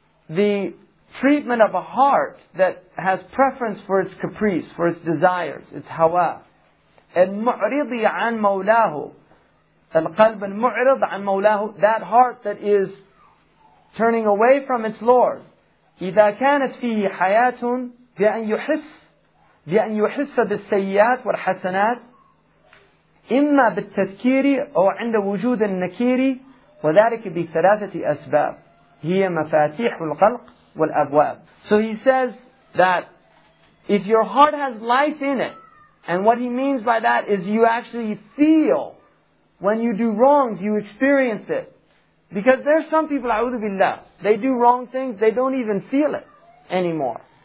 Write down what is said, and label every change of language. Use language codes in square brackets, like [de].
[en] The treatment of a heart that has preference for its caprice, for its desires, its hawa. [ar] المعرضي عن مولاه. القلب المعرض عن مولاه. [en] That heart that is turning away from its Lord. [ar] إذا كانت فيه حياة بأن يحس بالسيئات والحسنات. إما بالتذكير أو عند وجود النكير وذلك بثلاثة أسباب هي مفاتيح القلق والأبواب. [en] So he says that if your heart has life in it, and what he means by that is you actually feel when you do wrongs, you experience it. Because there are some people, [ar] أعوذ بالله, [en] they do wrong things, they don't even feel it anymore.